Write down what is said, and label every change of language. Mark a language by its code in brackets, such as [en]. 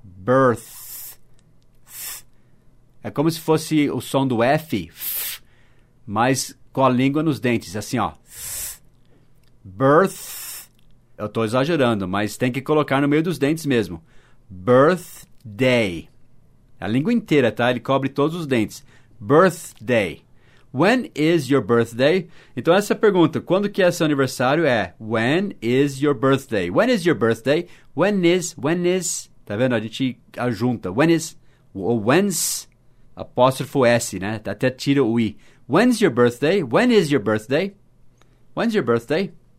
[pt] Birth. É como se fosse o som do F, mas com a língua nos dentes, assim, ó. Birth, eu estou exagerando, mas tem que colocar no meio dos dentes mesmo. Birthday, a língua inteira, tá? Ele cobre todos os dentes. [en] Birthday, when is your birthday? [pt] Então essa pergunta, quando que é seu aniversário é? [en] When is your birthday? When is your birthday? When is, [pt] tá vendo? A gente ajunta, [en] when is, ou when's, [pt] apóstrofo S, né? Até tira o I. [en] When's your birthday? When is your birthday? When's your birthday?